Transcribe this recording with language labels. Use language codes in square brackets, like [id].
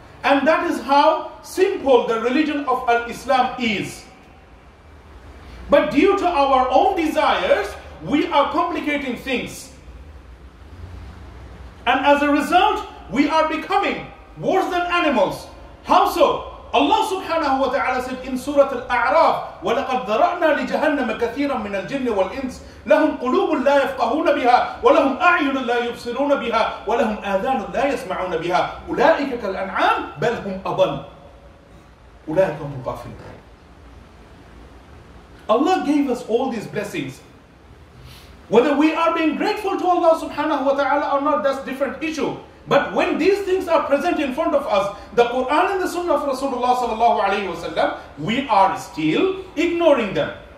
[en] And that is how simple the religion of Al-Islam is. But due to our own desires, we are complicating things. And as a result, we are becoming worse than animals. How so? Allah subhanahu wa ta'ala said in Surah Al-A'raf, [ar] وَلَقَدْ ذَرَأْنَا لِجَهَنَّمَ كَثِيرًا مِنَ الْجِنِّ وَالْإِنْسِ لَهُمْ قُلُوبٌ لَا يَفْقَهُونَ بِهَا وَلَهُمْ أَعْيُنٌ لَا يُبْصِرُونَ بِهَا وَلَهُمْ آذَانٌ لَا يَسْمَعُونَ بِهَا أُولَٰئِكَ كَالْأَنْعَامِ بَلْ هُمْ أَضَلُّ أُولَٰئِكَ هُمُ الْغَافِلُونَ. [en] Allah gave us all these blessings. Whether we are being grateful to Allah subhanahu wa ta'ala or not, that's a different issue. But when these things are present in front of us, the Quran and the Sunnah of Rasulullah sallallahu alayhi wa sallam, we are still ignoring them.